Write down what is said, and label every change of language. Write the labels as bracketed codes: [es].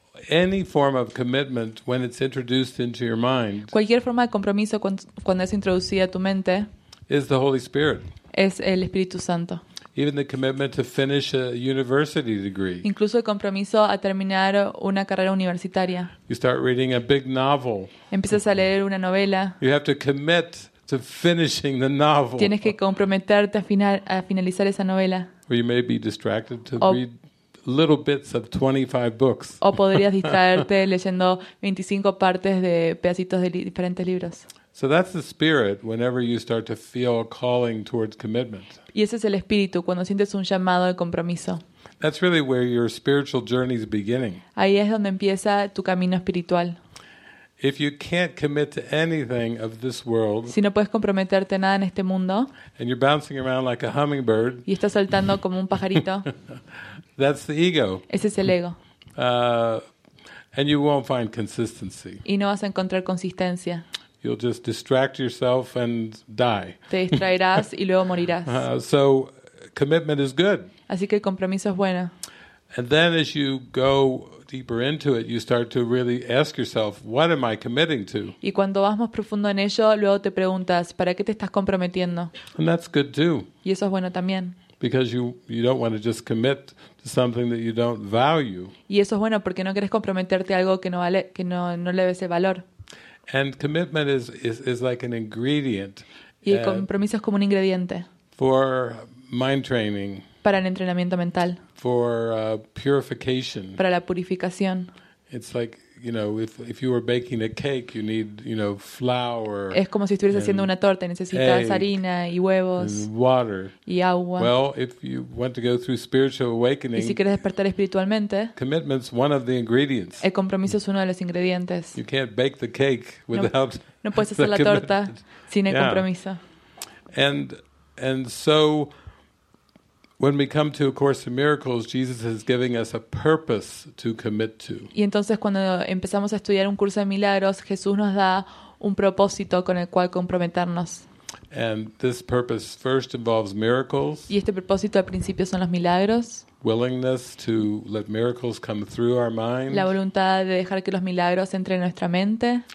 [en] Any form of commitment when it's introduced into your mind. [es] Cualquier forma de compromiso cuando es introducida a tu mente. [en] Is the Holy Spirit. [es] Es el Espíritu Santo. [en] Even the commitment to finish a university degree. [es] Incluso el compromiso a terminar una carrera universitaria. [en] You start reading a big novel. [es] Empiezas a leer una novela. [en] You have to commit to finishing the novel. [es] Tienes que comprometerte a finalizar esa novela. [en] Or you may be distracted to read little bits of 25 books. [es] O podrías distraerte leyendo 25 partes de pedacitos de diferentes libros. [en] So that's the spirit whenever you start to feel a calling towards commitment. [es] Y ese es el espíritu cuando sientes un llamado al compromiso. [en] That's really where your spiritual journey is beginning. [es] Ahí es donde empieza tu camino espiritual. [en] If you can't commit to anything of this world, [es] si no puedes comprometerte a nada en este mundo, [en] and you're bouncing around like a hummingbird, [es] y estás saltando como un pajarito, [en] that's the ego. [es] Ese es el ego. [en] And you won't find consistency. [es] Y no vas a encontrar consistencia. [en] You'll just distract yourself and die. [es] Te distraerás y luego morirás. [en] So commitment is good. [es] Así que el compromiso es bueno. [en] And then as you go deeper into it, you start to really ask yourself, what am I committing to? [es] Y cuando vas más profundo en ello, luego te preguntas, ¿para qué te estás comprometiendo? [en] And that's good too. [es] Y eso es bueno también. [en] Because you don't want to just commit to something that you don't value. [es] Y eso es bueno porque no quieres comprometerte a algo que no vale, que no le ves el valor. [en] And commitment is like an ingredient. [es] Y el compromiso es como un ingrediente. [en] For mind training. [es] Para el entrenamiento mental. [en] For purification. [es] Para la purificación. [en] It's like, you know, if you were baking a cake, you need, you know, flour. [es] Es como si estuvieras haciendo una torta, necesitas harina y huevos. [en] Water. [es] Y agua. [en] Well, if you want to go through spiritual awakening. [es] Y si quieres despertar espiritualmente. [en] Commitment's one of the ingredients. [es] El compromiso es uno de los ingredientes. [en] You can't bake the cake without. [es] No puedes hacer la torta sin el compromiso. [en] And so when we come to A Course in Miracles, Jesus is giving us a purpose to commit to. [es] Y entonces cuando empezamos a estudiar Un Curso de Milagros, Jesús nos da un propósito con el cual comprometernos. [en] And this purpose first involves miracles. [es] Y este propósito al principio son los milagros. [en] Willingness to let miracles come through our mind. [es] La voluntad de dejar que los milagros entren en nuestra mente.